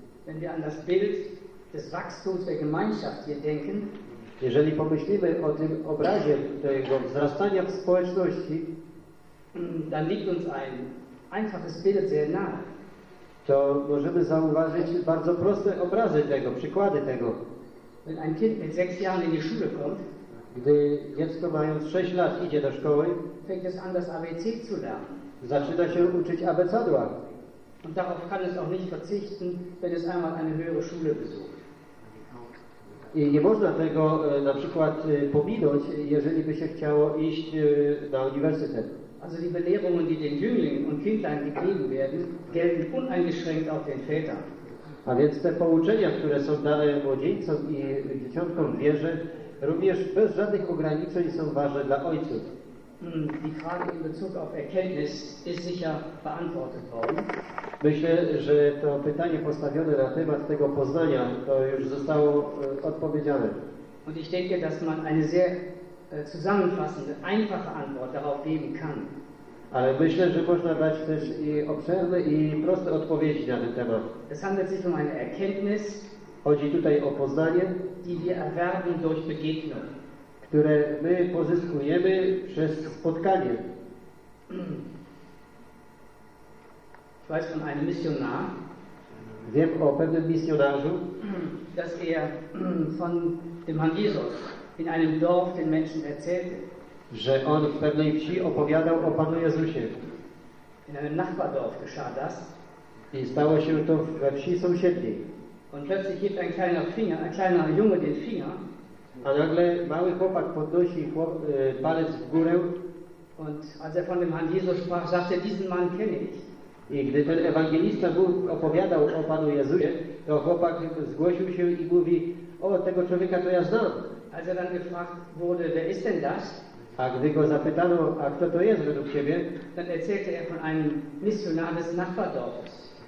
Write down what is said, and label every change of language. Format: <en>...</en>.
<de>Wenn wir an das Bild des Wachstums der Gemeinschaft hier denken,</de> <pl>jeżeli pomyślimy o tym obrazie tego wzrastania w społeczności,</pl> <de>dann liegt uns ein einfaches Bild sehr nah.</de> <pl>To możemy zauważyć bardzo proste obrazy tego, przykłady tego.</pl> <de>Wenn ein Kind mit 6 Jahren in die Schule kommt,</de> <pl>gdy dziecko mając 6 lat idzie do szkoły,</pl> <de>fängt es an, das ABC zu lernen.</de> <pl>Zaczyna się uczyć abecadła.</pl> <de>Und darauf kann es auch nicht verzichten, wenn es einmal eine höhere Schule besucht.</de> <pl>I nie można tego na przykład pominąć, jeżeli by się chciało iść na uniwersytet.</pl> <de>Also die Belehrungen, die den Jünglingen und Kindlein gegeben werden, gelten uneingeschränkt auch den Vätern.</de> <pl>A więc te pouczenia, które są dane młodzieńcom i dzieciątkom w wierze, również bez żadnych ograniczeń są ważne dla ojców.</pl> <de>Die Frage in Bezug auf Erkenntnis ist sicher beantwortet worden.</de> <pl>Myślę, że to pytanie postawione na temat tego poznania, to już zostało odpowiedziane.</pl> <de>Und ich denke, dass man eine sehr zusammenfassende, einfache Antwort darauf geben kann.</de> <pl>Ale myślę, że można dać też i obszerne i proste odpowiedzi na ten temat.</pl> <de>Es handelt sich um eine Erkenntnis,</de> <pl>chodzi tutaj o poznanie,</pl> <de>die wir erwerben durch Begegnung,</de> <pl>które my pozyskujemy przez spotkanie.</pl> <de>Ich weiß von einem Missionar,</de> <pl>wiem o pewnym misjonarzu,</pl> <de>dass er von dem Herrn Jesus in einem Dorf den Menschen erzählte,</de> <pl>że on w pewnej wsi opowiadał o Panu Jezusie.</pl> <de>In einem Nachbardorf geschah das.</de> <pl>I stało się to we wsi sąsiedniej.</pl> <de>Und plötzlich hebt ein kleiner Junge den Finger.</de> <pl>A nagle mały chłopak podnosi palec w górę.</pl> <de>Und als von dem Herrn Jesus sprach, sagte, diesen Mann kenne ich.</de> <pl>I gdy ten ewangelista opowiadał o Panu Jezusie, to chłopak zgłosił się i mówi, o, tego człowieka to ja znam.</pl> <de>Als dann gefragt wurde, wer ist denn das?</de> <pl>A gdy go zapytano, a kto to jest według ciebie,</pl> <de>dann erzählte er von einem Missionar des Nachbardorfes.</de>